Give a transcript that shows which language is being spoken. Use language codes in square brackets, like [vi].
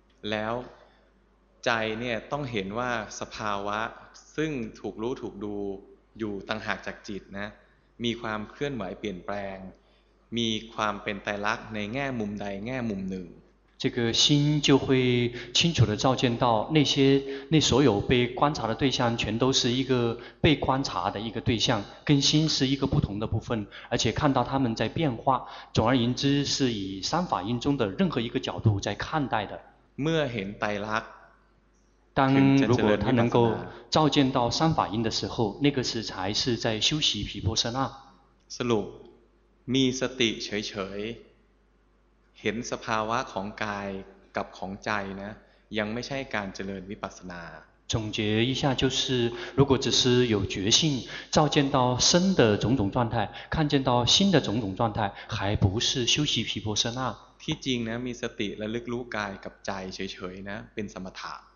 [th] แล้วใจเนี่ยต้องเห็นว่าสภาวะซึ่งถูกรู้ถูกดูอยู่ต่างหากจากจิตนะมีความเคลื่อนไหวเปลี่ยนแปลงมีความเป็นไตรลักษณ์ในแง่มุมใดแง่มุมหนึ่ง [zh] 这个心就会清楚地照见到那所有被观察的对象全都是一个被观察的一个对象跟心是一个不同的部分而且看到他们在变化总而言之是以三法印中的任何一个角度在看待的 [th] เมื่อเห็นไตรลักษณ์ [zh] 当如果他能够照见到三法印的时候那个是才是在修习毗婆舍那 [th] สรุปมีสติเฉยเห็นสภาวะของกายกับของใจนะยังไม่ใช่การเจริญวิปัสสนา [zh] 总结一下就是如果只是有觉性照见到身的种种状态看见到心的种种状态还不是修习毗婆舍那 [th] ที่จริงนะมีสติระลึกรู้กายกับใจเฉยๆนะเป็นสมถะ